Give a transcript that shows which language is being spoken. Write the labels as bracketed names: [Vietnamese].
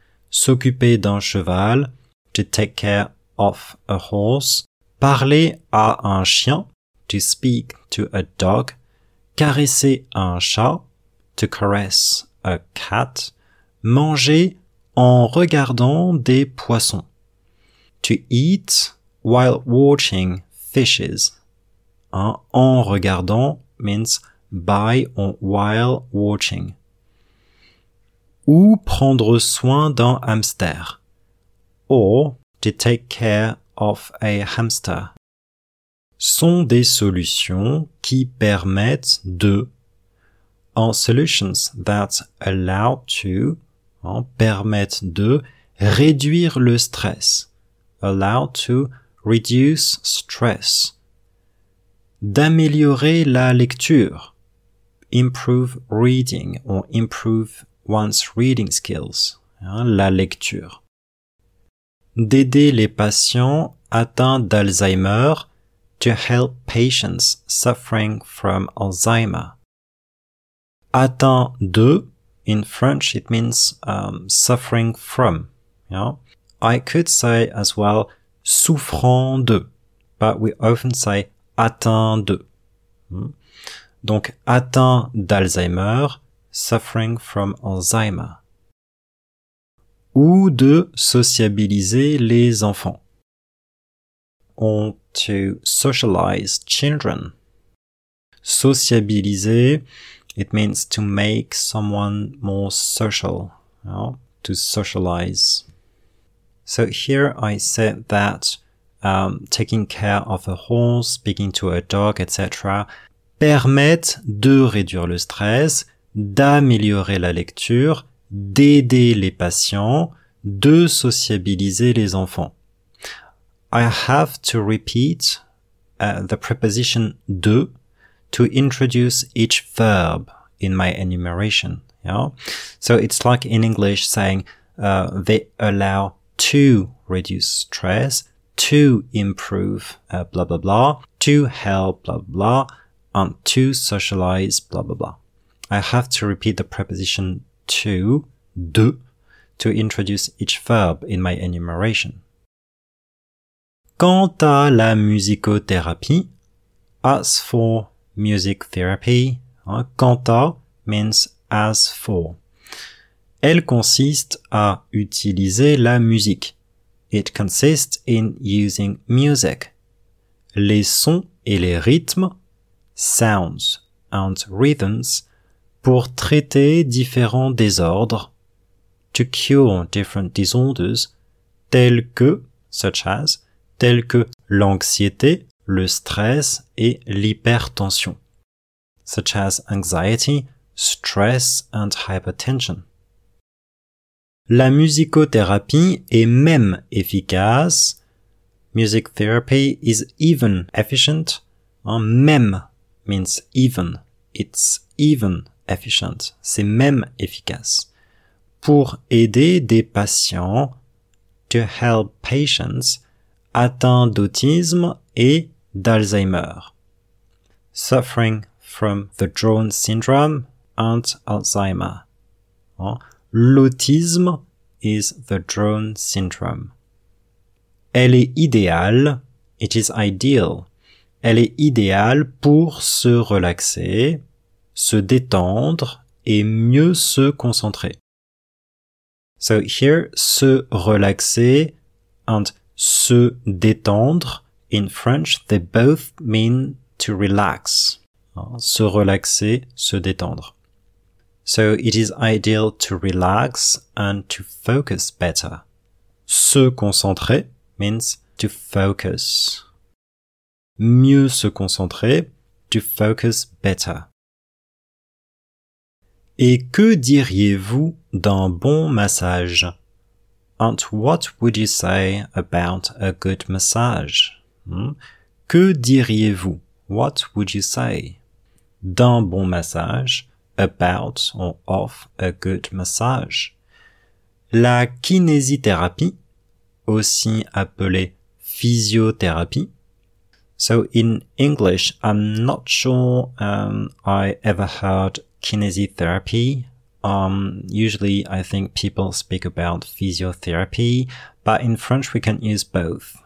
[French] s'occuper d'un cheval, [English] to take care of a horse, [French] parler à un chien, [English] to speak to a dog, [French] caresser un chat, [English] to caress a cat, [French] manger en regardant des poissons, [English] to eat while watching fishes. [French] Hein, en regardant [English] means by or while watching. [French] Ou prendre soin d'un hamster. [English] Or to take care of a hamster. [French] Sont des solutions qui permettent de. [English] En solutions that allow to. [French] Hein, permettent de réduire le stress. [English] Allow to reduce stress. [French] D'améliorer la lecture. [English] Improve reading or improve one's reading skills. [French] Hein, la lecture. D'aider les patients atteints d'Alzheimer. [English] To help patients suffering from Alzheimer. [French] Atteint de. [English] In French, it means suffering from. Yeah? I could say as well, [French] souffrant de. [English] But we often say, [French] atteint de. Donc, atteint d'Alzheimer, [English] suffering from Alzheimer. [French] Ou de sociabiliser les enfants. [English] Or to socialize children. Sociabiliser, it means to make someone more social, you know, to socialize. So here I said that taking care of a horse, speaking to a dog, etc. [French] permettent de réduire le stress, d'améliorer la lecture, d'aider les patients, de sociabiliser les enfants. [English] I have to repeat the preposition de to introduce each verb in my enumeration. Yeah? So it's like in English saying they allow to reduce stress, to improve blah blah blah, to help blah blah blah, and to socialize blah blah blah. I have to repeat the preposition to, de, to introduce each verb in my enumeration. [French] Quant à la musicothérapie, [English] as for music therapy, [French] hein, quant à [English] means as for. [French] Elle consiste à utiliser la musique. [English] It consists in using music. [French] Les sons et les rythmes, [English] sounds and rhythms, [French] pour traiter différents désordres, [English] to cure different disorders, [French] tels que, such as, tels que l'anxiété, le stress et l'hypertension, [English] such as anxiety, stress and hypertension. [French] La musicothérapie est même efficace. [English] Music therapy is even efficient. [French] Hein, même [English] means even. It's even efficient. [French] C'est même efficace. Pour aider des patients, [English] to help patients, [French] atteints d'autisme et d'Alzheimer. [English] Suffering from the Drawn syndrome and Alzheimer. [French] Hein, l'autisme [English] is the drone syndrome. [French] Elle est idéale. [English] It is ideal. [French] Elle est idéale pour se relaxer, se détendre et mieux se concentrer. [English] So here, [French] se relaxer and se détendre. [English] In French, they both mean to relax. [French] Se relaxer, se détendre. [English] So it is ideal to relax and to focus better. [French] Se concentrer [English] means to focus. [French] Mieux se concentrer, [English] to focus better. [French] Et que diriez-vous d'un bon massage? [English] And what would you say about a good massage? [French] Que diriez-vous? [English] What would you say? [French] D'un bon massage? [English] About or of a good massage. [French] La kinésithérapie, aussi appelée physiothérapie. [English] So in English, I'm not sure I ever heard kinésithérapie Usually I think people speak about physiotherapy, but in French we can use both.